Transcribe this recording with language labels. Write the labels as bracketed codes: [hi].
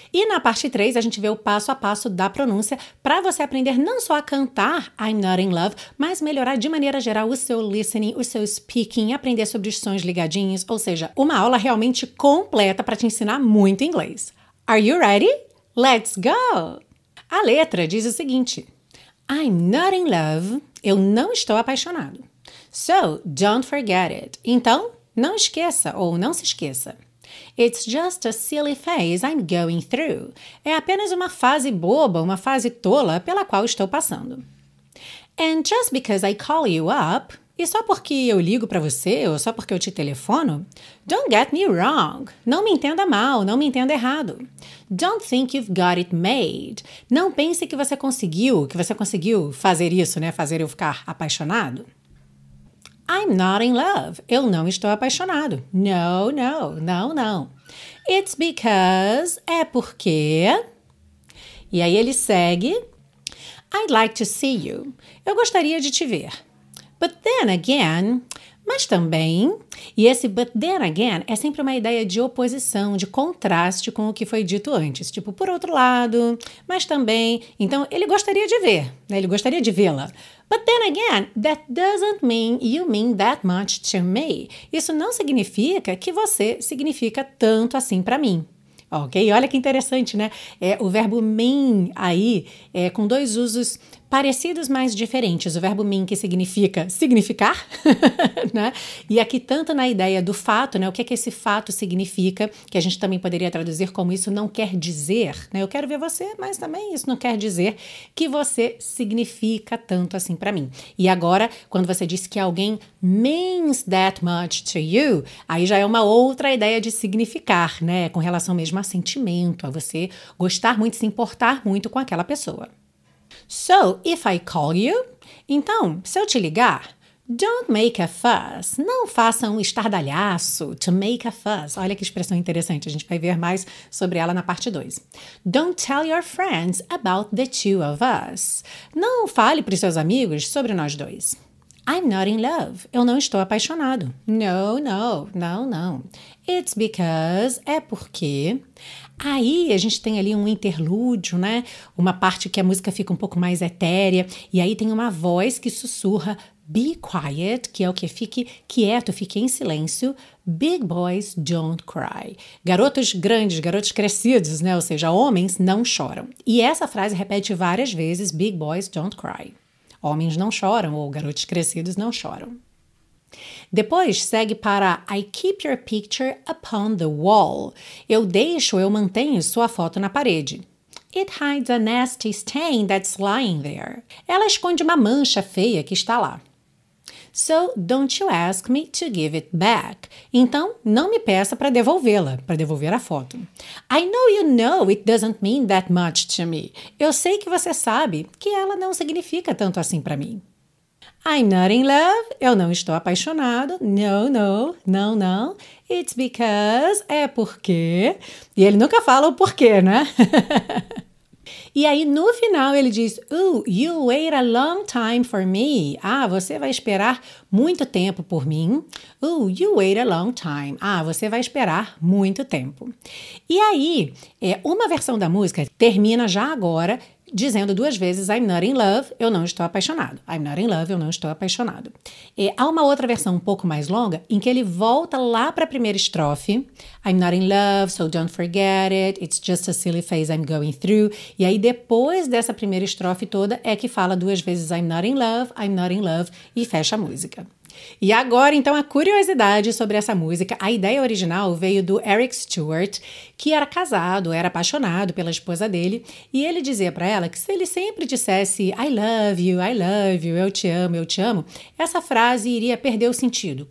[pt] E na parte 3, a gente vê o passo a passo da pronúncia para você aprender não só a cantar I'm Not In Love, mas melhorar de maneira geral o seu listening, o seu speaking, aprender sobre os sons ligadinhos, ou seja, uma aula realmente completa para te ensinar muito inglês. [en] Are you ready? Let's go! [pt] A letra diz o seguinte: [en] I'm not in love. [pt] Eu não estou apaixonado. [en] So, don't forget it. [pt] Então, não esqueça ou não se esqueça. [en] It's just a silly phase I'm going through. [pt] É apenas uma fase boba, uma fase tola pela qual estou passando. [en] And just because I call you up, [pt] e só porque eu ligo para você ou só porque eu te telefono, [en] don't get me wrong. [pt] Não me entenda mal, não me entenda errado. [en] Don't think you've got it made. [pt] Não pense que você conseguiu fazer isso, né? Fazer eu ficar apaixonado. [en] I'm not in love. [pt] Eu não estou apaixonado. [en] No, no, [pt] não, não. [en] It's because... [pt] É porque... E aí ele segue. [en] I'd like to see you. [pt] Eu gostaria de te ver. [en] But then again... [pt] Mas também... E esse [en] but then again [pt] é sempre uma ideia de oposição, de contraste com o que foi dito antes. Tipo, por outro lado, mas também... Então, ele gostaria de ver, né? Ele gostaria de vê-la. [en] But then again, that doesn't mean you mean that much to me. [pt] Isso não significa que você significa tanto assim para mim. Ok? Olha que interessante, né? É o verbo mean aí é com dois usos parecidos, mas diferentes. O verbo mean que significa significar, né? E aqui tanto na ideia do fato, né? O que é que esse fato significa, que a gente também poderia traduzir como isso não quer dizer, né? Eu quero ver você, mas também isso não quer dizer que você significa tanto assim para mim. E agora, quando você diz que alguém [en] means that much to you, [pt] aí já é uma outra ideia de significar, né? Com relação mesmo a sentimento, a você gostar muito, se importar muito com aquela pessoa. [en] So, if I call you, [pt] então, se eu te ligar, [en] don't make a fuss, [pt] não faça um estardalhaço, [en] to make a fuss. [pt] Olha que expressão interessante, a gente vai ver mais sobre ela na parte 2. [en] Don't tell your friends about the two of us. [pt] Não fale para os seus amigos sobre nós dois. [en] I'm not in love, [pt] eu não estou apaixonado. [en] No, no, [pt] não, não. [en] It's because, [pt] é porque... Aí a gente tem ali um interlúdio, né? Uma parte que a música fica um pouco mais etérea. E aí tem uma voz que sussurra, [en] be quiet, [pt] que é o que? Fique quieto, fique em silêncio. [en] Big boys don't cry. [pt] Garotos grandes, garotos crescidos, né? Ou seja, homens não choram. E essa frase repete várias vezes, [en] big boys don't cry. [pt] Homens não choram ou garotos crescidos não choram. Depois segue para [en] I keep your picture upon the wall. [pt] Eu deixo, eu mantenho sua foto na parede. [en] It hides a nasty stain that's lying there. [pt] Ela esconde uma mancha feia que está lá. [en] So don't you ask me to give it back. [pt] Então, não me peça para devolvê-la, para devolver a foto. [en] I know you know it doesn't mean that much to me. [pt] Eu sei que você sabe que ela não significa tanto assim para mim. [en] I'm not in love. [pt] Eu não estou apaixonado. [en] No. It's because... [pt] É porque... E ele nunca fala o porquê, né? E aí, no final, ele diz, [en] oh, you wait a long time for me. [pt] Ah, você vai esperar muito tempo por mim. [en] Oh, you wait a long time. [pt] Ah, você vai esperar muito tempo. E aí, uma versão da música termina já agora, dizendo duas vezes, [en] I'm not in love, [pt] eu não estou apaixonado. [en] I'm not in love, [pt] eu não estou apaixonado. E há uma outra versão um pouco mais longa, em que ele volta lá para a primeira estrofe. [en] I'm not in love, so don't forget it. It's just a silly phase I'm going through. [pt] E aí, depois dessa primeira estrofe toda, é que fala duas vezes, [en] I'm not in love, [pt] e fecha a música. E agora, então, a curiosidade sobre essa música. A ideia original veio do Eric Stewart, que era casado, era apaixonado pela esposa dele, e ele dizia para ela que se ele sempre dissesse [en] I love you, [pt] eu te amo, essa frase iria perder o sentido.